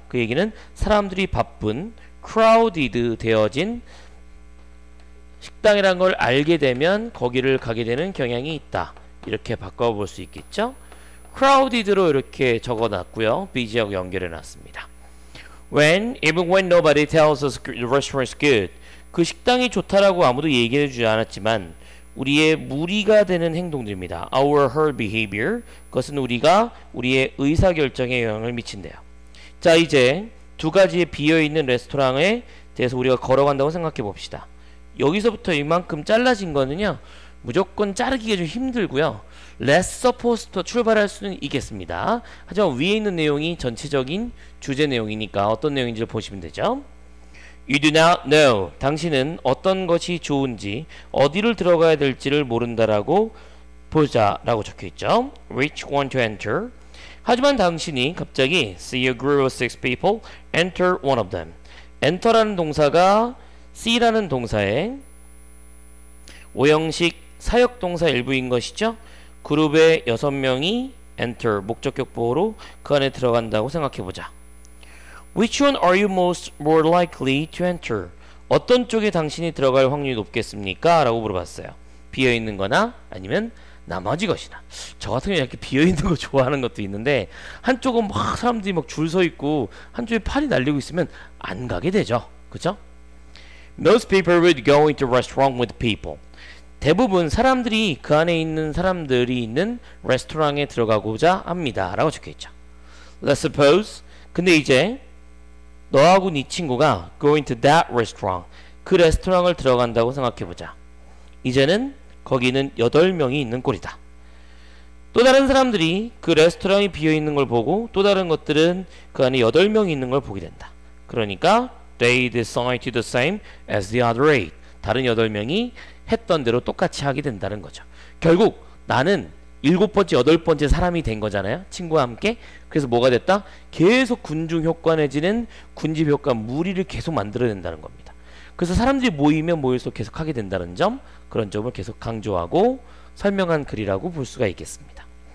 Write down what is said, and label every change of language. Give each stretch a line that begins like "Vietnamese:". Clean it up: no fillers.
Korean: 그 얘기는 사람들이 바쁜, crowded 되어진 식당이란 걸 알게 되면 거기를 가게 되는 경향이 있다. 이렇게 바꿔볼 수 있겠죠? crowded로 이렇게 적어놨고요. 비지하고 연결해놨습니다.
English: Even when nobody tells us the restaurant is good.
Korean: 그 식당이 좋다라고 아무도 얘기해주지 않았지만 우리의 무리가 되는 행동들입니다.
English: Our herd behavior.
Korean: 그것은 우리가 우리의 의사결정에 영향을 미친대요. 자, 이제 두 가지의 비어있는 레스토랑에 대해서 우리가 걸어간다고 생각해봅시다. 여기서부터 이만큼 잘라진 거는요, 무조건 자르기가 좀 힘들고요.
English: Let's suppose
Korean: 부터 출발할 수는 있겠습니다. 하지만 위에 있는 내용이 전체적인 주제 내용이니까 어떤 내용인지 보시면 되죠.
English: You do not know.
Korean: 당신은 어떤 것이 좋은지, 어디를 들어가야 될지를 모른다라고 보자 라고 적혀있죠.
English: Which one to enter.
Korean: 하지만 당신이 갑자기
English: see a group of six people, enter one of them.
Korean: enter라는 동사가 see라는 동사의 오형식 사역 동사 일부인 것이죠. 그룹의 여섯 명이 enter, 목적격 보호로 그 안에 들어간다고 생각해보자.
English: Which one are you most more likely to enter?
Korean: 어떤 쪽에 당신이 들어갈 확률이 높겠습니까? 라고 물어봤어요. 비어있는 거나 아니면 나머지 것이나. 저 같은 경우에 이렇게 비어있는 거 좋아하는 것도 있는데 한쪽은 막 사람들이 막 줄 서 있고 한쪽에 팔이 날리고 있으면 안 가게 되죠. 그죠?
English: Most people would go into restaurant with people.
Korean: 대부분 사람들이 그 안에 있는 사람들이 있는 레스토랑에 들어가고자 합니다. 라고 적혀있죠.
English: Let's suppose.
Korean: 근데 이제 너하고 네 친구가
English: go into that restaurant.
Korean: 그 레스토랑을 들어간다고 생각해보자. 이제는 거기는 8명이 있는 꼴이다. 또 다른 사람들이 그 레스토랑이 비어있는 걸 보고 또 다른 것들은 그 안에 8명이 있는 걸 보게 된다. 그러니까
English: they decide the same as the other eight.
Korean: 다른 8명이 했던 대로 똑같이 하게 된다는 거죠. 결국 나는 7번째, 8번째 사람이 된 거잖아요. 친구와 함께. 그래서 뭐가 됐다? 계속 군중효과 내지는 군집효과, 무리를 계속 만들어낸다는 겁니다. 그래서 사람들이 모이면 모일수록 계속하게 된다는 점, 그런 점을 계속 강조하고 설명한 글이라고 볼 수가 있겠습니다.